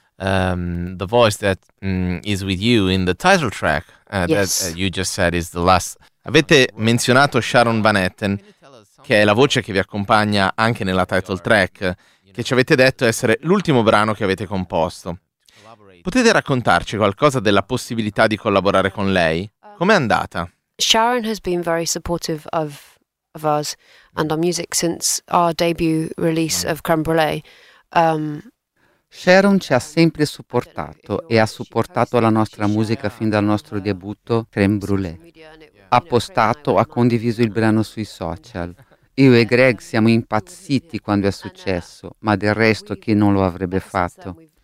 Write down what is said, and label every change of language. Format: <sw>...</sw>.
<en>the voice that is with you in the title track that you just said is the last.</en> <it>Avete menzionato Sharon Van Etten, che è la voce che vi accompagna anche nella title track, che ci avete detto essere l'ultimo brano che avete composto. Potete raccontarci qualcosa della possibilità di collaborare con lei? Com'è andata?</it> <en>Sharon has been very supportive of us and our music since our debut release of Crème Brûlée.</en> <it>Sharon ci ha sempre supportato e ha supportato la nostra musica fin dal nostro debutto Crème Brûlée. Ha postato, ha condiviso il brano sui social. Io e Greg siamo impazziti quando è successo, ma del resto chi non lo avrebbe fatto?</it>